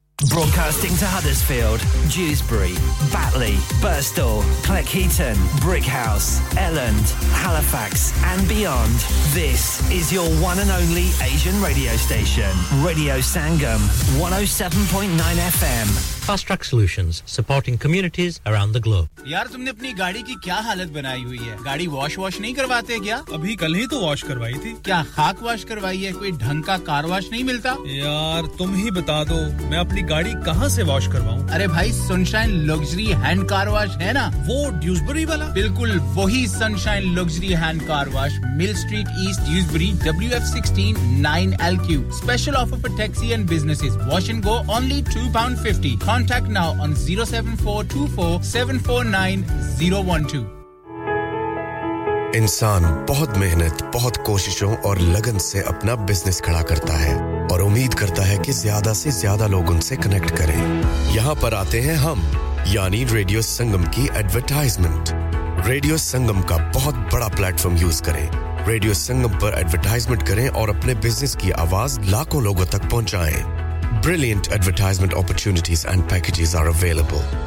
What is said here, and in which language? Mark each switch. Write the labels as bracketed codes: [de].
[en] Broadcasting to Huddersfield, Dewsbury, Batley, Birstall, Cleckheaton, Brickhouse, Elland, Halifax and beyond. This is your one and only Asian radio station. Radio Sangam, 107.9 FM. Fast Track Solutions, supporting communities around the globe. [hi] यार तुमने अपनी गाड़ी की क्या हालत बनाई हुई है? गाड़ी वॉश नहीं करवाते क्या? अभी कल ही तो वॉश करवाई थी. क्या खाक वॉश करवाई है? कोई ढंग का कार वॉश नहीं मिलता? यार तुम ही बता दो. मैं अपनी गाड़ी कहाँ से वॉश करवाऊँ? अरे भाई sunshine luxury hand car wash है ना? वो ड्यूसबरी वाला? बिल्कुल वही sunshine luxury hand car wash, mill street east, Dewsbury, WF16 9LQ. [en] Special offer for taxi and businesses. Wash and go only £2.50. Contact now on 07424749012. [hi] इंसान बहुत मेहनत, बहुत कोशिशों और लगन से अपना बिजनेस खड़ा करता है और उम्मीद करता है कि ज्यादा से ज्यादा लोग उनसे कनेक्ट करें। यहां पर आते हैं हम, यानी रेडियो संगम की एडवरटाइजमेंट। रेडियो संगम का बहुत बड़ा प्लेटफॉर्म यूज करें। रेडियो संगम पर एडवरटाइजमेंट करें और अपने बिजनेस की आवाज लाखों लोगों तक पहुंचाएं। [en] Brilliant advertisement opportunities and packages are available.